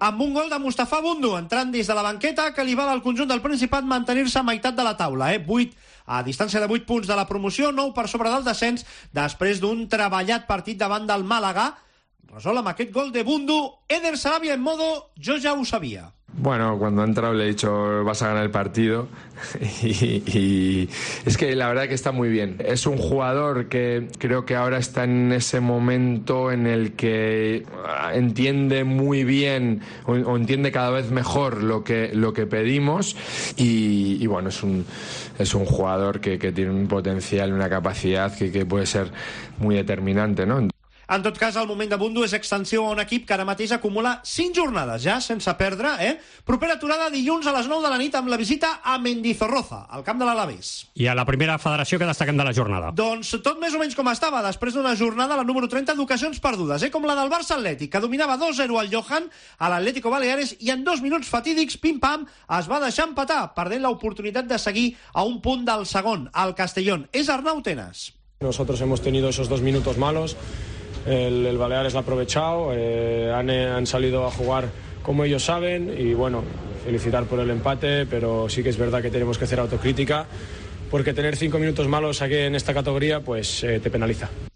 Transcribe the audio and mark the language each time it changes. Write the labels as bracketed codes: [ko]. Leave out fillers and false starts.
[ca] Amb un gol de Mustafa Bundu, entrant des de la banqueta, que li val al conjunt del Principat mantenir-se a meitat de la taula, 8 a distància de 8 punts de la promoció, 9 per sobre del descens, després d'un treballat partit davant del Màlaga. Resol amb aquest gol de Bundu, Eder Sarabia en modo, jo ja ho sabia. [es] Bueno, cuando he entrado le he dicho, vas a ganar el partido, y es que la verdad es que está muy bien. Es un jugador que creo que ahora está en ese momento en el que entiende muy bien o entiende cada vez mejor lo que pedimos, y bueno, es un jugador que tiene un potencial, una capacidad que puede ser muy determinante, ¿no? [ca] En tot cas, el moment de Bundu és extensió a un equip que ara mateix acumula 5 jornades ja sense perdre, eh? Propera aturada dilluns a les 9 de la nit amb la visita a Mendizorroza, al camp de l'Alavés. I a la primera federació que destaquem de la jornada. Doncs tot més o menys com estava, després d'una jornada la número 30 d'ocasions perdudes, eh? Com la del Barça Atlètic, que dominava 2-0 al Johan, a l'Atlético Baleares, i en 2 minuts fatídics, pim-pam, es va deixar empatar, perdent l'oportunitat de seguir a un punt del segon, al Castellón. És Arnau Tenas. [es] Nosotros hemos tenido esos 2 minutos malos, el Baleares l'ha aprovechado, han salido a jugar como ellos saben, y bueno, felicitar por el empate, pero sí que es verdad que tenemos que hacer autocrítica, porque tener 5 minutos malos aquí en esta categoría, pues te penaliza.